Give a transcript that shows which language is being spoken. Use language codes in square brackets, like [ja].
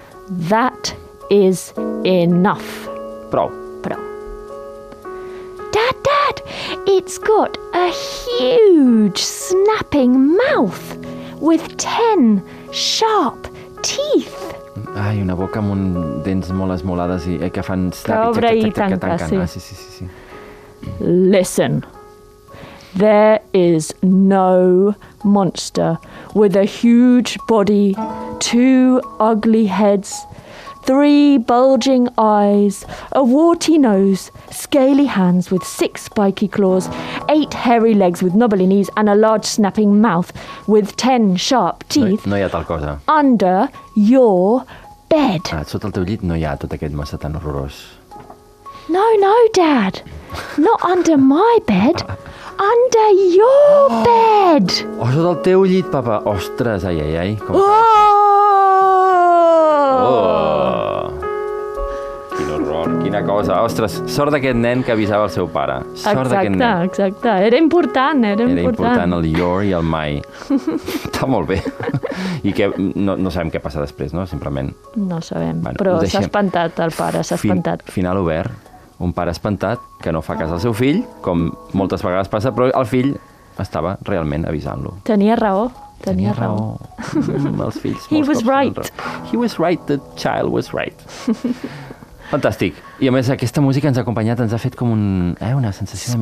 [en] That is enough. [ca] Prou. Prou. [en] Dad, dad, it's got a huge snapping mouth with 10 sharp teeth. [ca] Ai, una boca amb un dents molt esmolades i que fan obre i tanca, sí. Ah, sí, sí, sí, sí. [en] Listen, there is no monster with a huge body, two ugly heads, three bulging eyes, a warty nose, scaly hands with six spiky claws, eight hairy legs with knobbly knees and a large snapping mouth with 10 sharp teeth. [ca] No, no hi ha tal cosa. [en] Under your bed. [ca] Ah, sota el teu llit no hi ha tot aquest massa tan horrorós. [en] No, no, Dad. Not under my bed. Under your oh. bed. [ca] Oh, sota el teu llit, papa. Ostres, ai, ai, ai. Com oh! Oh! Quin horror, quin horror. quina cosa. Ostres, sort d'aquest nen que avisava el seu pare. Sort d'aquest nen. Exacte, exacte. Era important, era important. Era important el your i el my. Està molt bé. I que no, no sabem què passa després, no? Simplement. No sabem, bueno, però s'ha espantat el pare, s'ha espantat. Final obert. Un pare espantat que no fa cas al seu fill, com moltes vegades passa, però el fill estava realment avisant-lo. Tenia raó. Tenia raó. Els fills. He [en] was right. He was right, the child was right. [ca] Fantàstic. I a més, aquesta música ens ha acompanyat, ens ha fet com un, una sensació